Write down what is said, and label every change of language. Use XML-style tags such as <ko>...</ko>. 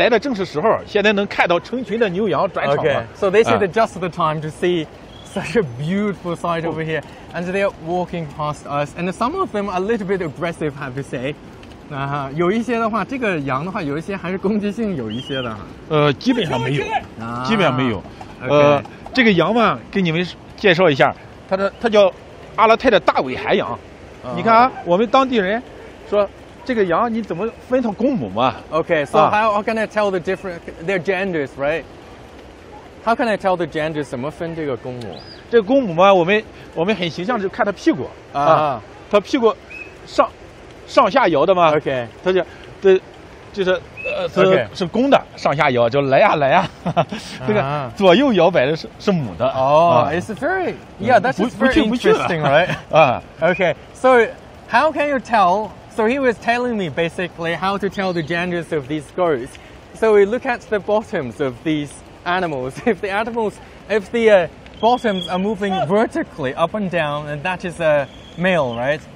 <zh>这边的话是很常见的，是吧？很常见，特别是现在这个时候，你们咱们来的正是时候，现在能看到成群的牛羊转场。</zh> <en>So this is just the time to see such a beautiful sight over here, and they are walking past us, and some of them are a little bit aggressive, have to say.</en> <zh>有一些的话，这个羊的话，有一些还是攻击性，有一些的。基本上没有。</zh> <en>Okay.</en> <zh>这个羊嘛，给你们介绍一下，它叫阿拉泰的大尾海羊。你看，我们当地人说，这个羊你怎么分它公母嘛</zh> <en>？Okay, so how can I tell the different their genders, right? How can I tell the genders?</en> <zh>怎么分这个公母？这个公母嘛，我们很形象就看它屁股。它屁股上。上下摇的嘛，它就是公的，上下摇就来呀来呀，这个左右摇摆的是母的。</zh> <en>It's very that's very interesting, right? Okay, so how can you tell? So he was telling me basically how to tell the genders of these goats. So we look at the bottoms of these animals. If the animals, if the bottoms are moving vertically up and down, and that is a male, right?</en>